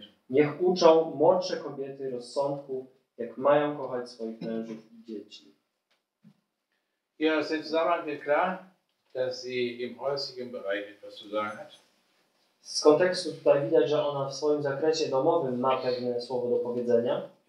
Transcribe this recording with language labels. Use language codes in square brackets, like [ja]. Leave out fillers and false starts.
[pl] Niech uczą młodsze kobiety rozsądku, jak mają kochać swoich mężów i dzieci. [de] Ja, aus dem Zusammenhang wird klar, dass sie im häuslichen Bereich etwas zu sagen hat. [pl] Z kontekstu tutaj widać, że ona w swoim zakresie domowym ma pewne słowo do powiedzenia.